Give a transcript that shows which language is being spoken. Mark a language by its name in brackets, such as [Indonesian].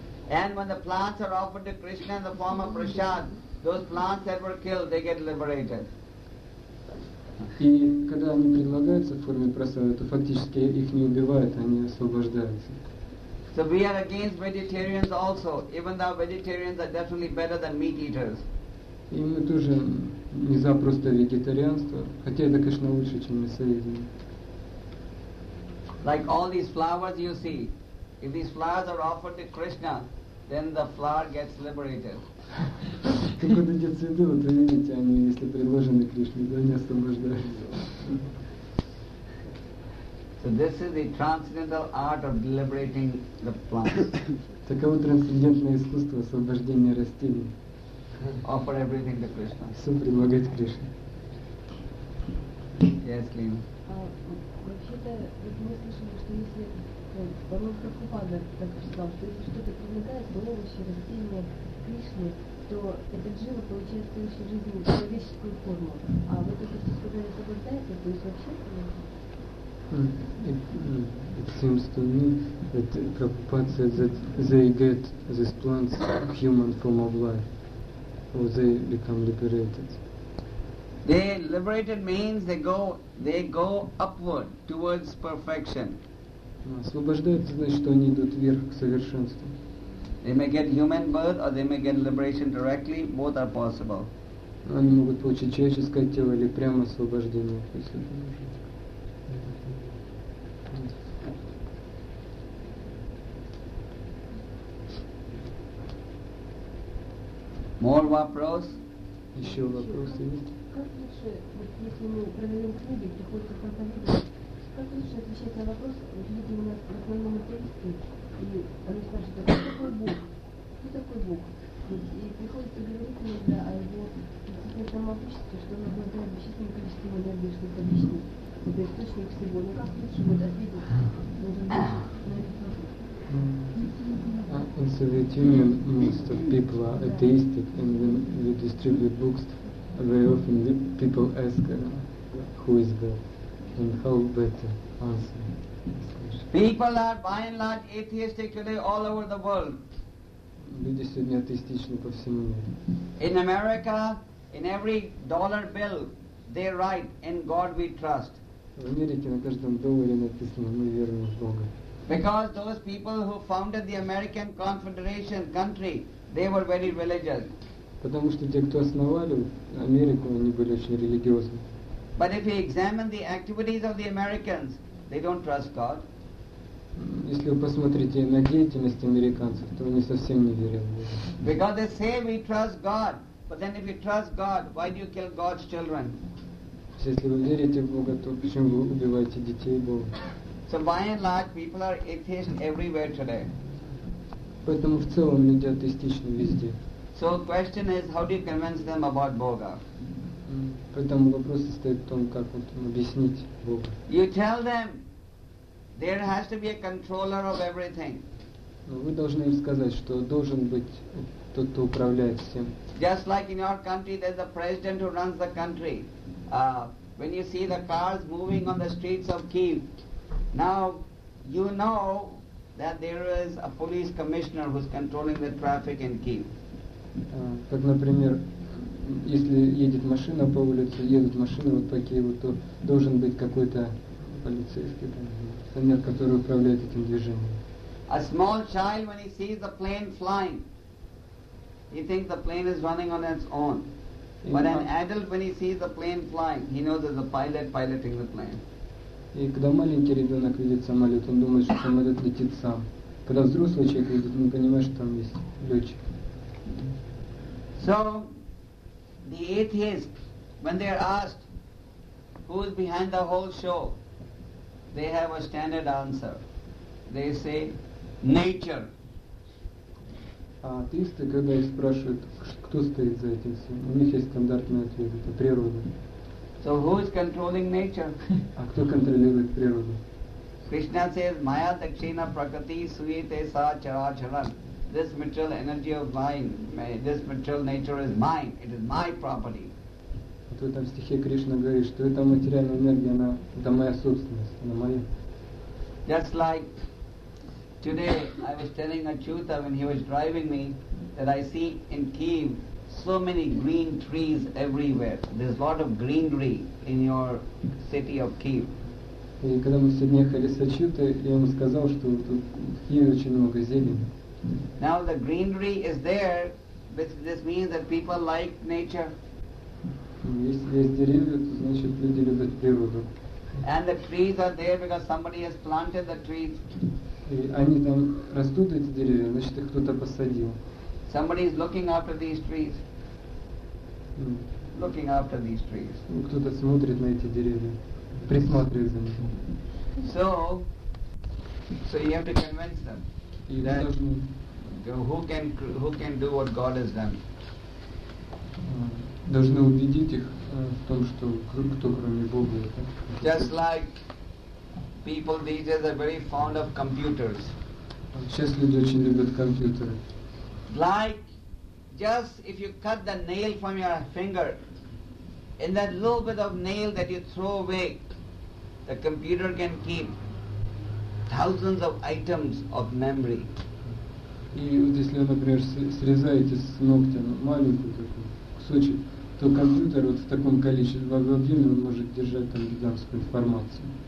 [English] And when the plants are offered to Krishna in the form of prasad, those plants that were killed, they get liberated. [Russian] И когда они предлагаются в форме прасада, то фактически их не убивают, они освобождаются. [English] So we are against vegetarians also, even though vegetarians are definitely better than meat eaters. [Russian] И мы тоже не за просто вегетарианство, хотя это, конечно, лучше, чем мясоедение. [English] Like all these flowers you see, if these flowers are offered to Krishna, then the flower gets liberated. [Russian] Как вот эти цветы, вот вы видите, они, если предложены Кришне, то они освобождаются. [English] So this is the transcendental art of liberating the plants. [Russian] Таково трансцендентное искусство освобождения растений. [English] Offer everything to Krishna. [Russian] Все предлагать Кришне. [English] Yes, Lina. [Russian] Вообще-то, мы слышали, что если Бхагавад Прабхупада так сказал, что если что-то привлекает, то овощи, растения, Кришны, то этот джива получает в следующей жизни человеческую форму. А вот это все, когда это освобождается, то есть вообще [English] It seems to me that Prabhupada said that they get these plants human form of life, or they become liberated. They liberated means they go upward towards perfection. [Russian] Освобождаются, значит, что они идут вверх к совершенству. [English] They may get human birth or they may get liberation directly, both are possible. [Russian] Они могут получить человеческое тело или прямо освобождение, если это нужно. [English] More [Russian] вопрос? Еще вопросы есть? Как лучше, если мы продаем книги, приходится контактировать? Как лучше отвечать на вопрос, люди у нас в основном ответят? И они спрашивают, кто такой Бог? Кто такой Бог? И приходится говорить иногда о его действительном могуществе, что нужно обладает бесчисленным количеством энергии, чтобы объяснить. Это источник всего. Но как лучше будет ответить? Нужно больше на этот вопрос. [English] And so the Italian most of people are atheistic, and when we distribute books, very often people ask who is God and how better answer. People are by and large atheistic today all over the world. [Russian] Люди сегодня атеистичны по всему миру. [English] In America, in every dollar bill, they write, "In God we trust." [Russian] В Америке на каждом долларе написано, мы верим в Бога. [English] Because those people who founded the American Confederation country, they were very religious. [Russian] Потому что те, кто основали Америку, они были очень религиозны. [English] But if you examine the activities of the Americans, they don't trust God. [Russian] Если вы посмотрите на деятельность американцев, то они совсем не верят в Бога. [English] Because they say we trust God, but then if you trust God, why do you kill God's children? [Russian] Если вы верите в Бога, то почему вы убиваете детей Бога? [English] So by and large, people are atheists everywhere today. [Russian] Поэтому в целом люди атеистичны везде. [English] So question is, how do you convince them about Boga? [Russian] Поэтому вопрос состоит в том, как вот объяснить Бога. [English] You tell them there has to be a controller of everything. [Russian] Вы должны им сказать, что должен быть тот, кто управляет всем. [English] Just like in your country, there's a president who runs the country. When you see the cars moving on the streets of Kyiv. Now, you know that there is a police commissioner who is controlling the traffic in Kyiv. [Russian] Как, например, если едет машина по улице, едут машины вот по Киеву, то должен быть какой-то полицейский, например, который управляет этим движением. [English] A small child, when he sees the plane flying, he thinks the plane is running on its own. But an adult, when he sees the plane flying, he knows there's a pilot piloting the plane. [Russian] И когда маленький ребенок видит самолет, он думает, что самолет летит сам. Когда взрослый человек видит, он понимает, что там есть летчик. [English] So, the atheists, when they are asked, who is behind the whole show, they have a standard answer. They say, nature. [Russian] А атеисты, когда их спрашивают, кто стоит за этим всем, у них есть стандартный ответ, это природа. [English] So who is controlling nature? [Russian] А кто контролирует природу? [English] Krishna says, Maya Dakshina Prakriti Suyate Sa Characharan. This material energy of mine, this material nature is mine. It is my property. [Russian] Вот в этом стихе Кришна говорит, что эта материальная энергия, она, это моя собственность, она моя. [English] Just like today, I was telling Achyuta when he was driving me that I see in Kyiv. So many green trees everywhere. There's a lot of greenery in your city of Kyiv. [Russian] И когда мы сегодня ехали с Ачютой, я ему сказал, что тут в Киеве очень много зелени. [English] Now the greenery is there, but this means that people like nature. [Russian] Если есть деревья, то значит люди любят природу. [English] And the trees are there because somebody has planted the trees. [Russian] И они там растут эти деревья, значит их кто-то посадил. [English] Somebody is looking after these trees. Looking after these trees. [Russian] Кто-то смотрит на эти деревья, присматривает за ними. [English] So you have to convince them. [Russian] И [English] that [Russian] должны... [English] who can do what God has done? [Russian] Должны убедить их в том, что кто кроме Бога это. [English] Just like people these days are very fond of computers. [Russian] Сейчас люди очень любят компьютеры. [English] Like, just if you cut the nail from your finger, in that little bit of nail that you throw away, the computer can keep thousands of items of memory. [Russian] И вот если, например, срезаете с ногтя маленький такой кусочек, то компьютер вот в таком количестве, в объеме, он может держать там гигантскую информацию.